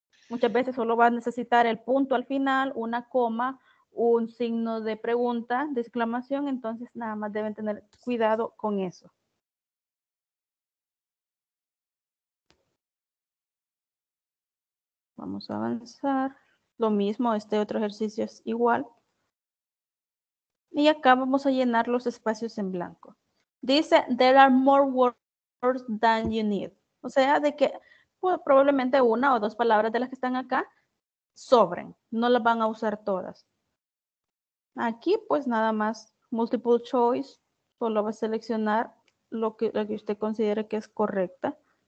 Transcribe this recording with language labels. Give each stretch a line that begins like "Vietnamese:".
Spanish: Muchas veces solo va a necesitar el punto al final, una coma, un signo de pregunta, de exclamación, entonces nada más deben tener cuidado con eso. Vamos a avanzar. Lo mismo, este otro ejercicio es igual. Y acá vamos a llenar los espacios en blanco.
English: Dice, there are more words than you need.
Spanish: O sea, de que probablemente una o dos palabras de las que están acá sobren. No las van a usar todas. Aquí, pues, nada más, multiple choice, solo va a seleccionar lo que usted considere que es correcta.